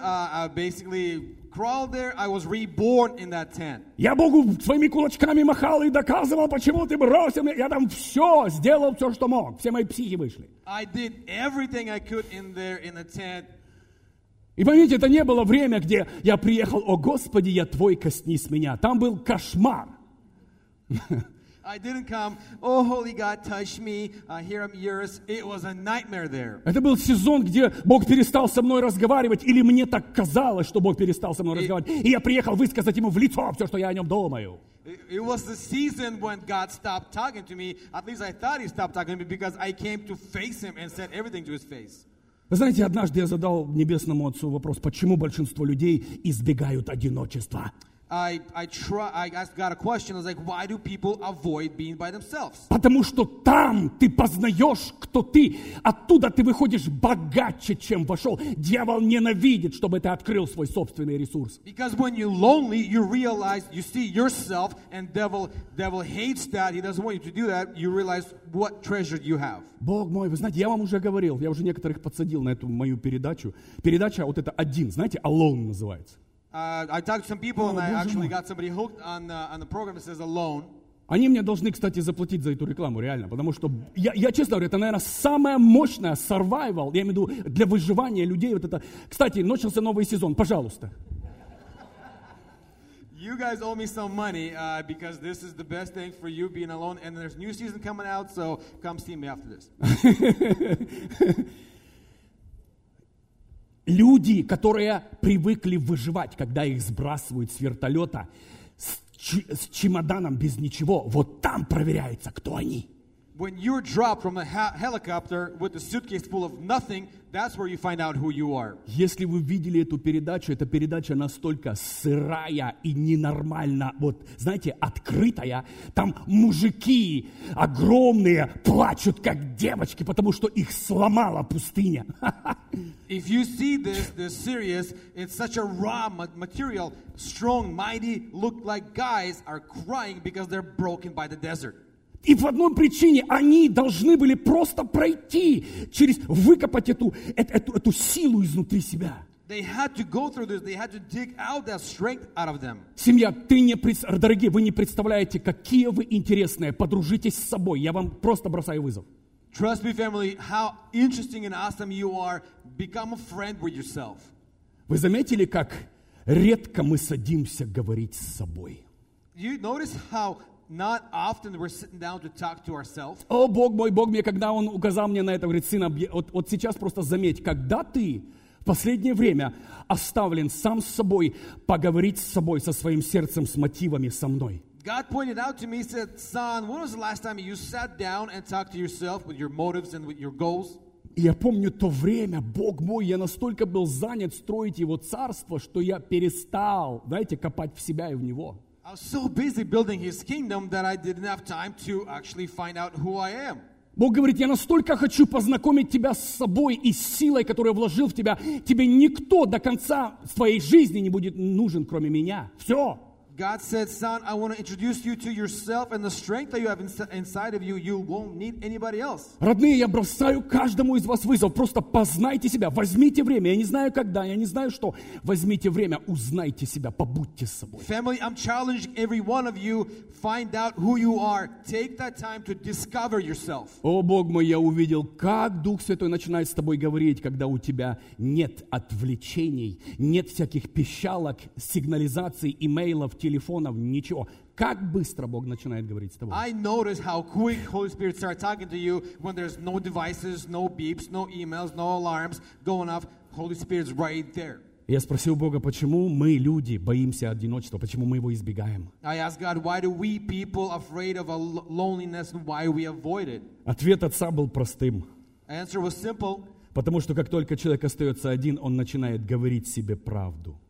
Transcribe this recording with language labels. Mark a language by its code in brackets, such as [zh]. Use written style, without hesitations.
[en] I basically crawled there. I was reborn in that tent. [ru] Я Богу своими кулачками махал и доказывал, почему ты бросил меня. Я там все сделал, все, что мог. Все мои психи вышли. [en] I did everything I could in there in the tent. [ru] И помните, это не было время, где я приехал, о Господи, я твой, коснись меня. Там был кошмар. [en] I didn't come, oh, holy God, touch me, here I'm yours. It was a nightmare there. [ru] Это был сезон, где Бог перестал со мной разговаривать, или мне так казалось, что Бог перестал со мной разговаривать, и я приехал высказать Ему в лицо все, что я о Нем думаю. [en] It was the season when God stopped talking to me. At least I thought He stopped talking to me, because I came to face Him and said everything to His face. [ru] Вы знаете, однажды я задал Небесному Отцу вопрос, почему большинство людей избегают одиночества? [en] I asked God a question. I was like, why do people avoid being by themselves? [ru] Потому что там ты познаешь, кто ты. Оттуда ты выходишь богаче, чем вошел. Дьявол ненавидит, чтобы ты открыл свой собственный ресурс. [en] Because when you're lonely, you realize, you see yourself, and devil hates that. He doesn't want you to do that. You realize what treasure you have. [ru] Бог мой, вы знаете, я вам уже говорил, я уже некоторых подсадил на эту мою передачу. Передача вот это один, знаете, Alone называется. [en] I talked to some people, and I actually got somebody hooked on the program that says Alone. [ru] Они мне должны, кстати, заплатить за эту рекламу, реально, потому что, я честно говорю, это, наверное, самое мощное survival, я имею в виду, для выживания людей, вот это. Кстати, начался новый сезон, пожалуйста. [en] You guys owe me some money, because this is the best thing for you being alone, and there's new season coming out, so come see me after this. [ru] Люди, которые привыкли выживать, когда их сбрасывают с вертолета с чемоданом без ничего, вот там проверяется, кто они. [en] When you're dropped from a helicopter with a suitcase full of nothing, that's where you find out who you are. [ru] Если вы видели эту передача настолько сырая и ненормально, вот, знаете, открытая, там мужики огромные плачут, как девочки, потому что их сломала пустыня. [en] If you see this series, it's such a raw material, strong, mighty, look like guys are crying because they're broken by the desert. [ru] И в одной причине они должны были просто пройти через, выкопать эту силу изнутри себя. [en] They had to go through this. They had to dig out that strength out of them. [ru] Семья, дорогие, вы не представляете, какие вы интересные. Подружитесь с собой. Я вам просто бросаю вызов. [en] Trust me, family, how interesting and awesome you are. Become a friend with yourself. [ru] Вы заметили, как редко мы садимся говорить с собой? [en] You notice how not often we're sitting down to talk to ourselves. [ru] О, Бог мой, Бог мне, когда Он указал мне на это, говорит, сын, вот сейчас просто заметь, когда ты в последнее время оставлен сам с собой, поговорить с собой, со своим сердцем, с мотивами, со мной. [en] God pointed out to me, said, son, when was the last time you sat down and talked to yourself with your motives and with your goals? [ru] Я помню то время, Бог мой, я настолько был занят строить Его царство, что я перестал, знаете, копать в себя и в Него. [en] I was so busy building His kingdom that I didn't have time to actually find out who I am. [ru] Бог говорит, я настолько хочу познакомить тебя с собой и с силой, которую вложил в тебя. Тебе никто до конца твоей жизни не будет нужен, кроме меня. Все. [en] God said, son, I want to introduce you to yourself and the strength that you have inside of you. You won't need anybody else. [ru] Родные, я бросаю каждому из вас вызов. Просто познайте себя. Возьмите время. Я не знаю, когда, я не знаю, что. Возьмите время. Узнайте себя. Побудьте с собой. [en] Family, I'm challenging every one of you. Find out who you are. Take that time to discover yourself. [ru] О, Бог мой, я увидел, как Дух Святой начинает с тобой говорить, когда у тебя нет отвлечений, нет всяких пищалок, сигнализаций, имейлов, телефонов, ничего. Как быстро Бог начинает говорить с тобой? [en] I notice how quick Holy Spirit starts talking to you when there's no devices, no beeps, no emails, no alarms going off. Holy Spirit's right there. [ru] Я спросил Бога, почему мы, люди, боимся одиночества, почему мы его избегаем? [en] I asked God, why do we people afraid of a loneliness and why we avoid it? [ru] Ответ отца был простым. [en] Answer was simple. [ru] Потому что как только человек остается один, он начинает говорить себе правду.